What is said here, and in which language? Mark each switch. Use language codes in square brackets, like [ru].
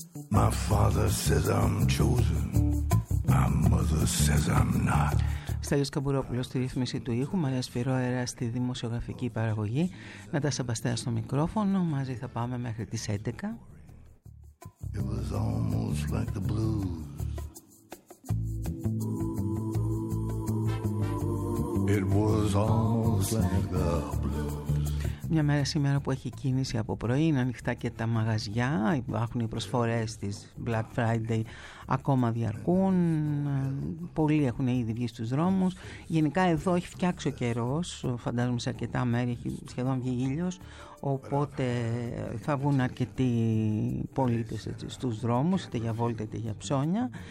[en] My father says I'm chosen. My mother says I'm not. [el] Στέλιος Καμπουρόπουλος στη ρύθμιση του ήχου, Μαρία Σφυρόαερα στη δημοσιογραφική παραγωγή, Νατάσα Μπαστέα στο μικρόφωνο. Μαζί θα πάμε μέχρι τις 11. [en] It was almost like the blues. It was almost like the blues. [el] Μια μέρα σήμερα που έχει κίνηση από πρωί, είναι ανοιχτά και τα μαγαζιά, υπάρχουν οι προσφορές της Black Friday, ακόμα διαρκούν, πολλοί έχουν ήδη βγει στους δρόμους. Γενικά εδώ έχει φτιάξει ο καιρός, φαντάζομαι σε αρκετά μέρη έχει σχεδόν βγει ήλιος, οπότε θα βγουν αρκετοί πολίτες έτσι, στους δρόμους, είτε για βόλτα είτε για ψώνια.